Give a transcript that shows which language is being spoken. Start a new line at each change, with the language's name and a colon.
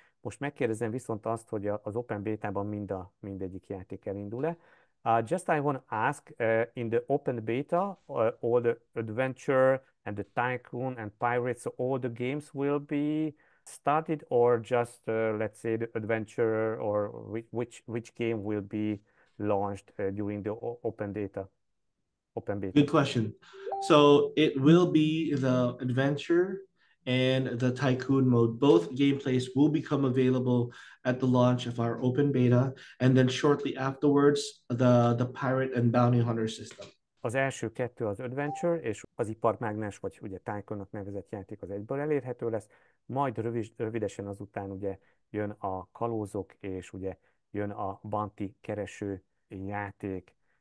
Hungarian: Most megkérdezem viszont azt, hogy az Open Beta-ban mindegyik játék elindul-e.
English: Just I want to ask, in the Open Beta, all the Adventure and the Tycoon and Pirates, all the games will be started, or just let's say the Adventure, or which game will be launched during the Open Beta? Open Beta. Good question. So it will be the Adventure and the Tycoon mode. Both gameplays will become available at the launch of our Open Beta, and then shortly afterwards, the Pirate and Bounty Hunter system.
Hungarian: Az első kettő az Adventure, és az iparmágnás, vagy ugye Tycoon-nak nevezett játék az egyből elérhető lesz, majd rövidesen azután ugye jön a kalózok, és ugye jön a Bounty kereső játék.